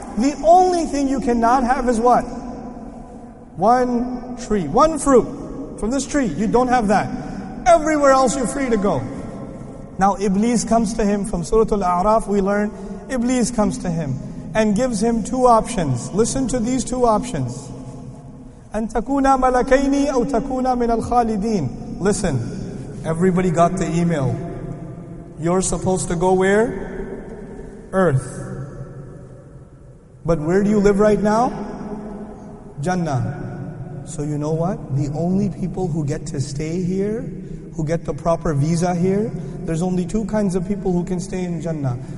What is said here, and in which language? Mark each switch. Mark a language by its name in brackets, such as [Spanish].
[English] The only thing you cannot have is what? One tree, one fruit from this tree. You don't have that. Everywhere else you're free to go. Now Iblis comes to him from Surah Al-A'raf. We learn Iblis comes to him and gives him two options. Listen to these two options. [Arabic] أَن تَكُونَ مَلَكَيْنِ أَوْ تَكُونَ مِنَ الْخَالِدِينَ [English] Listen, everybody got the email. You're supposed to go where? Earth. But where do you live right now? Jannah. So you know what? The only people who get to stay here, who get the proper visa here, there's only two kinds of people who can stay in Jannah.